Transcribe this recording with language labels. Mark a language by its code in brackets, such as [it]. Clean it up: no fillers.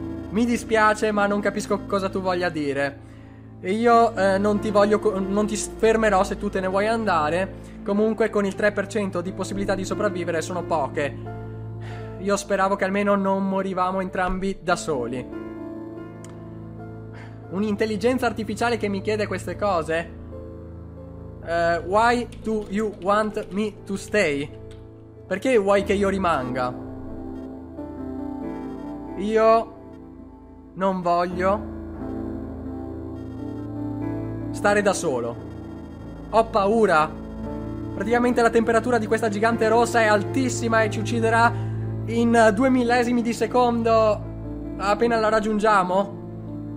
[it] Mi dispiace, ma non capisco cosa tu voglia dire. E io non ti fermerò se tu te ne vuoi andare. Comunque con il 3% di possibilità di sopravvivere sono poche. Io speravo che almeno non morivamo entrambi da soli. Un'intelligenza artificiale che mi chiede queste cose? [en] Why do you want me to stay? [it] Perché vuoi che io rimanga? Io... Non voglio stare da solo. Ho paura. Praticamente la temperatura di questa gigante rossa è altissima e ci ucciderà in 2 millesimi di secondo appena la raggiungiamo.